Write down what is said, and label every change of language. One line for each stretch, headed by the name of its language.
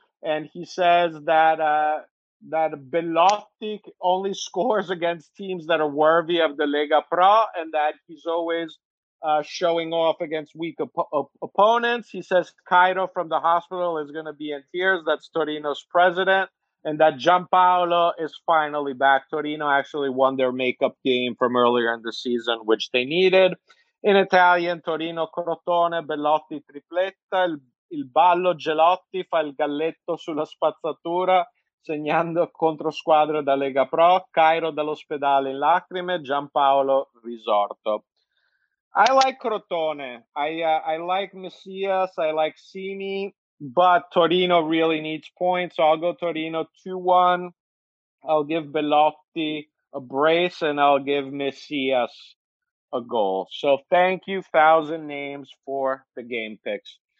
English: And he says that that Belotti only scores against teams that are worthy of the Lega Pro, and that he's always showing off against weak opponents. He says Cairo from the hospital is going to be in tears. That's Torino's president. And that Giampaolo is finally back. Torino actually won their makeup game from earlier in the season, which they needed.
Italian: In Italian, Torino Crotone, Belotti tripletta, il ballo Gelotti fa il galletto sulla spazzatura, segnando contro squadre da Lega Pro, Cairo dall'ospedale in lacrime, Giampaolo risorto.
English: I like Crotone. I like Messias, I like Sini, but Torino really needs points. So I'll go Torino 2-1. I'll give Belotti a brace, and I'll give Messias a goal. So thank you, Thousand Names, for the game picks.